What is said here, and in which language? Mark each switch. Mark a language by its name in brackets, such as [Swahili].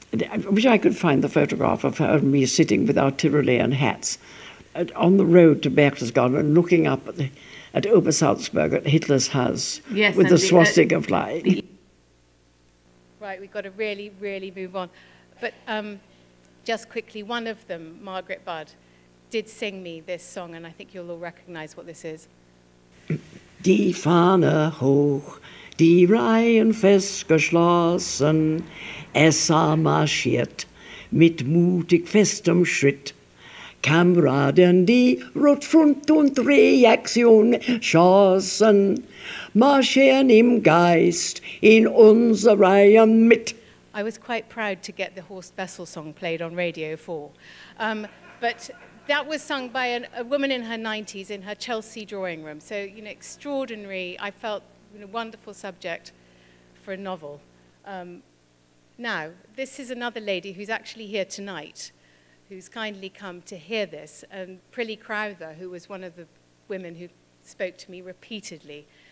[English] I wish I could find the photograph of her and me sitting with our Tyrolean hats on the road to Berchtesgaden and looking up at at Obersalzberg, at Hitler's house, yes, with the swastika flag. Right, we've got to really, really move on. But just quickly, one of them, Margaret Budd, did sing me this song, and I think you'll all recognise what this is. [German] Die Fahne hoch, die Reihen festgeschlossen, es marschiert mit mutig festem Schritt. Kameraden, die Rotfront und Reaktion schossen, marschieren im Geist in unser Reihen mit. [English] I was quite proud to get the Horst Wessel song played on Radio 4. But that was sung by a woman in her 90s in her Chelsea drawing room. So, you know, extraordinary. I felt, you know, wonderful subject for a novel. Now, this is another lady who's actually here tonight, who's kindly come to hear this, and Prilly Crowther, who was one of the women who spoke to me repeatedly.